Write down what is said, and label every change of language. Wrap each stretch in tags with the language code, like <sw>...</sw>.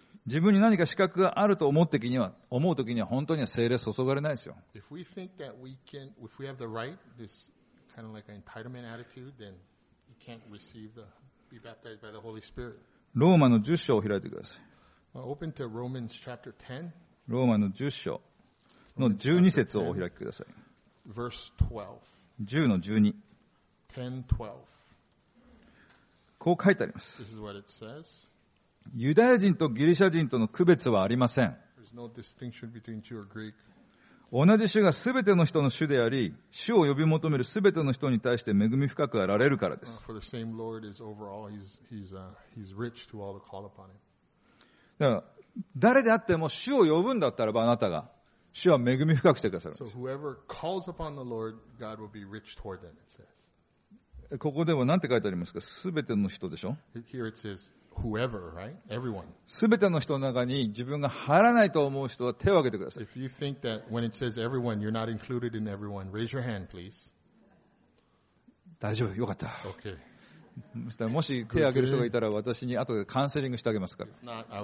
<ja>自分に何か資格があると思うときには本当には聖霊注がれないですよ。</ja> <en>If we think that we can, if we have the right, this kind of like an entitlement attitude, then you can't receive the, be baptized by the Holy Spirit.</en> <ja>ローマの10章を開いてください。</ja> <en>Well, open to Romans chapter 10.</en> <ja>ローマの10章の12節をお開きください。</ja> <en>Verse 12. 10:12.10:12.</en> <ja>こう書いてあります。</ja> <en>This is what it says.</en> <ja>ユダヤ人とギリシャ人との区別はありません。</ja> <en>There's no distinction between Jew or Greek.</en> <ja>同じ主がすべての人の主であり、主を呼び求めるすべての人に対して恵み深くあられるからです。</ja> <en>For the same Lord is over all, he's rich to all that call upon him.</en> <ja>だから誰であっても主を呼ぶんだったらばあなたが、主は恵み深くしてくださるんです。</ja> <en>So whoever calls upon the Lord, God will be rich toward them, it says.</en> <ja>ここでは何て書いてありますか？すべての人でしょ？</ja> <en>Here it says whoever, right? Everyone.</en> <ja>すべての人の中に自分が入らないと思う人は手を挙げてください。</ja> <en>If you think that when it says everyone, you're not included in everyone, raise your hand, please.</en> <ja>大丈夫、よかった。</ja> <en>Okay.</en> <ja>もし手を挙げる人がいたら私に後でカウンセリングしてあげますから。</ja>